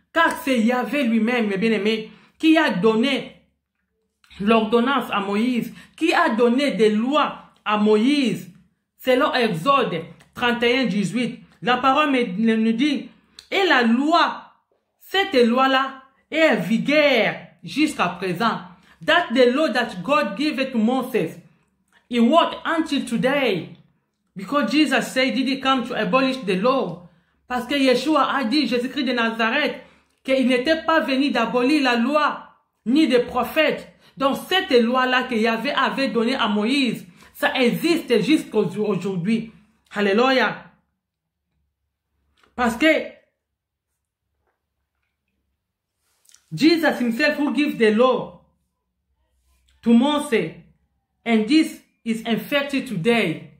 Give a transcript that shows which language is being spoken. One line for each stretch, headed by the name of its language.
French: Car c'est Yahvé lui-même, mes bien-aimés, qui a donné l'ordonnance à Moïse, qui a donné des lois à Moïse. Selon Exode 31:18, la parole nous dit, et la loi, cette loi-là, est en vigueur jusqu'à présent.
English: That's the law that God gave to Moses. It worked until today. Because Jesus said, did he come to abolish the law?
French: Parce que Yeshua a dit, Jésus-Christ de Nazareth, qu'il n'était pas venu d'abolir la loi, ni des prophètes. Donc cette loi-là que Yahvé avait donnée à Moïse, ça existe jusqu'à aujourd'hui. Hallelujah. Parce que
English: Jesus himself who gives the law to Moses, and this is effective today.